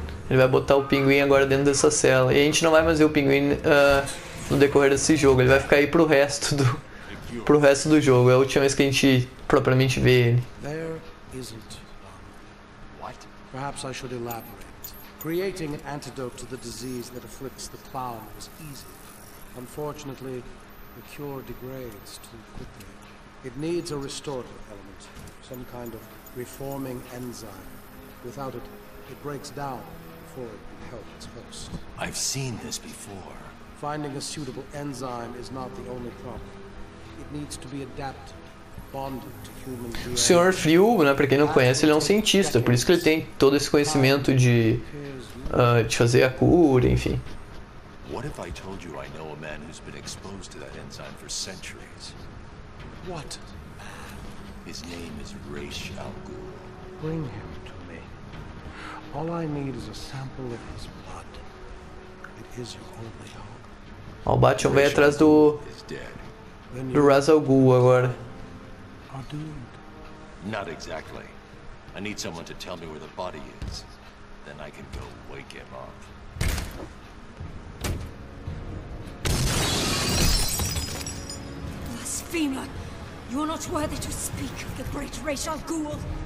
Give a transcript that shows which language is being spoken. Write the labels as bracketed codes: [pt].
[pt] Ele vai botar o pinguim agora dentro dessa cela. E a gente não vai mais ver o pinguim no decorrer desse jogo. Ele vai ficar aí pro resto do pro resto do jogo. É a última vez que a gente propriamente vê ele. [en] There isn't one. What? Perhaps I should elaborate. Creating an antidote to the disease that afflicts the clown was easy. Unfortunately, the cure degrades too quickly. It needs a restorative element, some kind of reforming enzyme. Without it, it breaks down before it can help its host. I've seen this before. Finding a suitable enzyme is not the only problem. It needs to be adapted, bonded to human DNA. [pt] O Sr. Frio, né, pra quem não conhece, ele é um cientista, por isso que ele tem todo esse conhecimento de fazer a cura, enfim. [en] What if I told you I know a man who's been exposed to that enzyme for centuries? What? His name is Ra's al Ghul. Bring him to me. All I need is a sample of his blood. It is your only hope. [pt] O Batman vem atrás do Ra's al Ghul agora. [en] Are doomed. Not exactly. I need someone to tell me where the body is. Then I can go wake him up. Blasphemer! You are not worthy to speak of the great Ra's al Ghul.